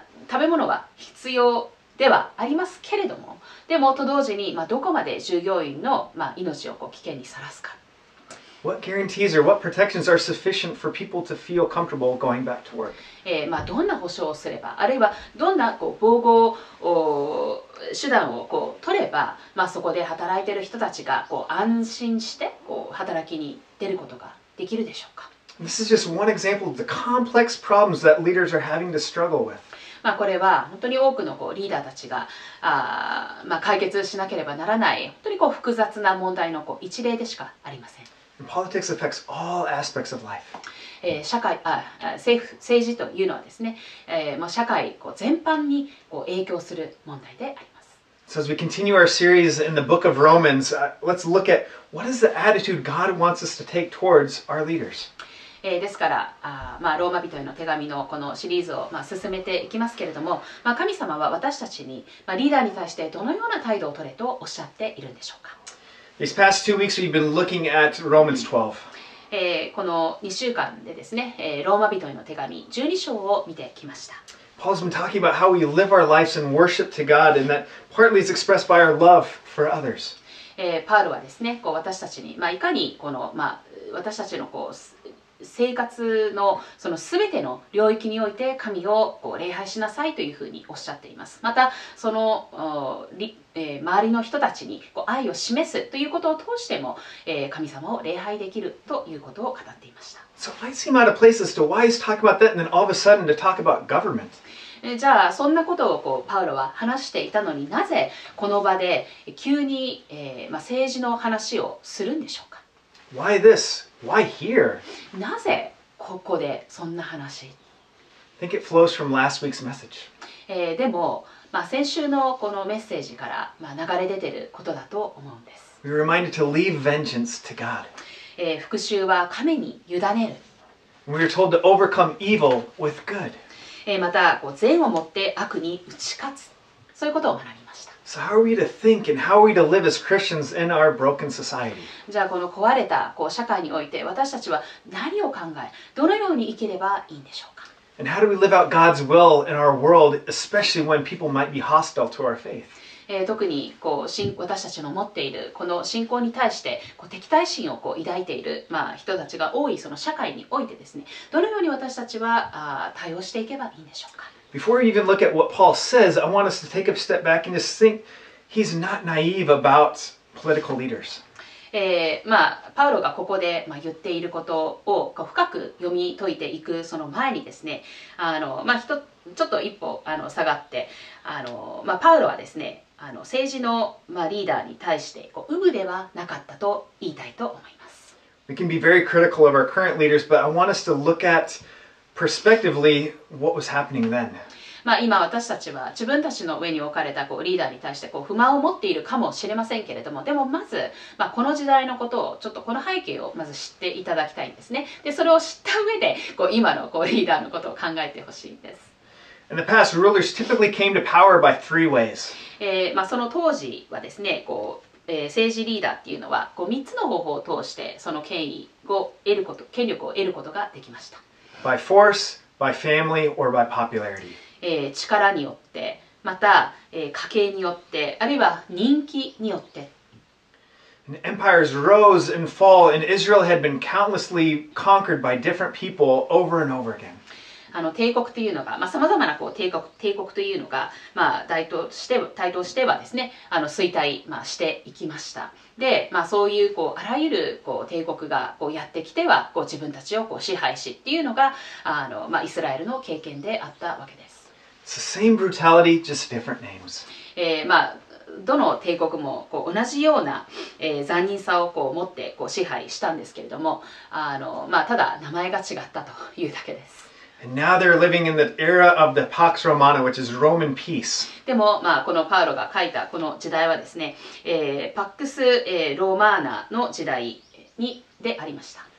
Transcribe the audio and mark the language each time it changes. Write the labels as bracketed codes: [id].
[ja] 食べ物は必要ではありますけれども、でもと同時に、どこまで従業員の、命をこう危険にさらすか。 [en] What guarantees or what protections are sufficient for people to feel comfortable going back to work? [ja] どんな保証をすれば、あるいはどんなこう防護を手段をこう取れば、まあ、そこで働いている人たちがこう安心してこう働きに出ることができるでしょうか。 [en] This is just one example of the complex problems that leaders are having to struggle with. [ja] まあ、これは本当に多くのこうリーダーたちが、まあ、解決しなければならない本当にこう複雑な問題のこう一例でしかありません。 [en] Politics affects all aspects of life. [ja] 社会、政治というのはですね、もう社会こう全般にこう影響する問題であります。 [en] So as we continue our series in the book of Romans, let's look at what is the attitude God wants us to take towards our leaders. [ja] ですから、まあ、ローマ人への手紙のこのシリーズを、まあ、進めていきますけれども、まあ、神様は私たちに、まあ、リーダーに対してどのような態度を取れとおっしゃっているんでしょうか。 [en] These past 2 weeks we've been looking at Romans 12. [ja] この2週間でですね、ローマ人への手紙12章を見てきました。 [en] Paul's been talking about how we live our lives in worship to God and that partly is expressed by our love for others. [ja] パールはですね、こう私たちに、まあ、いかにこの、まあ、私たちのこう生活のそのすべての領域において神をこう礼拝しなさいというふうにおっしゃっています。またその周りの人たちにこう愛を示すということを通しても神様を礼拝できるということを語っていました。 [en] So it might seem out of place as to why he's talking about that and then all of a sudden to talk about government. [ja] じゃあそんなことをこうパウロは話していたのになぜこの場で急に、まあ、政治の話をするんでしょうか。 [en] Why this? Why here? [ja] なぜここでそんな話? [en] I think it flows from last week's message. [ja] でも、まあ、先週のこのメッセージから、まあ、流れ出てることだと思うんです。 [en] We were reminded to leave vengeance to God. [ja] 復讐は神に委ねる。 [en] We were told to overcome evil with good. [ja] またこう、善をもって悪に打ち勝つ。そういうことを学びました。 [en] So how are we to think and how are we to live as Christians in our broken society? [ja] じゃあこの壊れたこう社会において私たちは何を考え、どのように生きればいいんでしょうか? [en] And how do we live out God's will in our world, especially when people might be hostile to our faith? [ja] 特にこう私たちの持っているこの信仰に対してこう敵対心をこう抱いている、まあ、人たちが多いその社会においてですね、どのように私たちは対応していけばいいんでしょうか? [en] Before we even look at what Paul says, I want us to take a step back and just think he's not naive about political leaders. [ja] まあ、パウロがここで、まあ、言っていることをこう深く読み解いていくその前にですね、まあ、ちょっと一歩下がって、まあ、パウロはですね、政治の、まあ、リーダーに対してこう有無ではなかったと言いたいと思います。 [en] We can be very critical of our current leaders, but I want us to look atPerspectively, what was happening then? [ja] まあ今私たちは自分たちの上に置かれたこうリーダーに対してこう不満を持っているかもしれませんけれども、でもまずまあこの時代のことをちょっとこの背景をまず知っていただきたいんですね。でそれを知った上でこう今のこうリーダーのことを考えてほしいんです。 [en] In the past, rulers typically came to power by three ways. [ja] まあその当時はですね、こう政治リーダーっていうのはこう3つの方法を通してその権威を得ること、権力を得ることができました。 [en] By force, by family, or by popularity. [ja] 力によって、また、家計によって、あるいは人気によって。 [en] And empires rose and fall, and Israel had been countlessly conquered by different people over and over again. [ja] 帝国というのが、まあ、様々なこう帝国というのが、まあ、台頭してはですね、衰退、まあ、していきました。で、まあ、そういう、こう、あらゆる、こう、帝国が、こう、やってきては、こう、自分たちを、こう、支配しっていうのが、まあ、イスラエルの経験であったわけです。 [en] It's the same brutality, just different names. [ja] まあ、どの帝国も、こう、同じような、残忍さを、こう、持って、こう、支配したんですけれども、まあ、ただ、名前が違ったというだけです。 [en] And now they're living in the era of the Pax Romana, which is Roman peace. [ja] でも、まあ、このパウロが書いたこの時代はですね、パックス、ローマーナの時代にでありました。